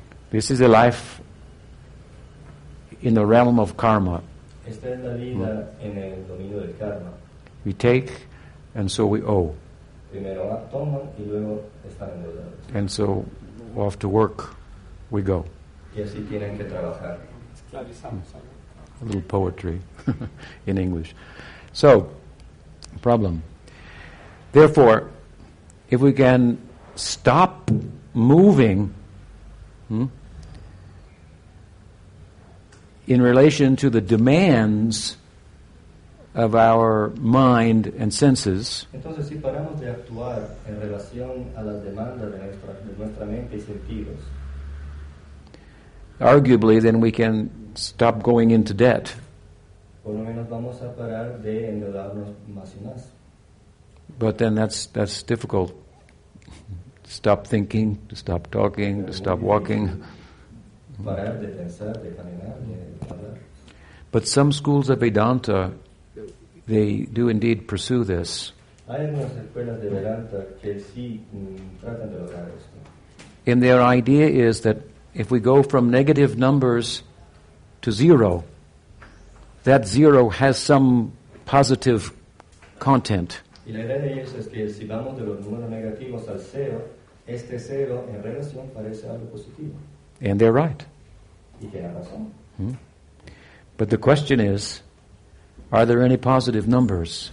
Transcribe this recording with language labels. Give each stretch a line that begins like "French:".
English: This is a life in the realm of karma.
Spanish: Esta es la vida en el dominio del karma.
English: We take and so we owe.
Spanish: Primero toman y luego están endeudados.
English: And so off to work we go.
Spanish: Y así tienen que trabajar.
English: A little poetry in English. So, problem. Therefore, if we can stop moving in relation to the demands of our mind and senses,
Spanish: entonces si paramos de actuar en relación a las demandas de nuestra mente y sentidos,
English: arguably then we can stop going into debt.
Spanish: Por lo menos vamos a parar de endeudarnos más y más.
English: But then that's difficult. Stop thinking, to stop talking, to stop walking.
Spanish: Parar de pensar, de caminar, de hablar.
English: But some schools of Vedanta, they do indeed pursue this.
Spanish: Hay algunas escuelas de Vedanta que sí tratan de lograr esto.
English: And their idea is that if we go from negative numbers to zero, that zero has some positive content.
Spanish: Y la idea de ellos es que si vamos de los números negativos al cero, este cero en relación parece algo positivo.
English: And they're right.
Spanish: Y tienen razón.
English: But the question is, are there any positive numbers?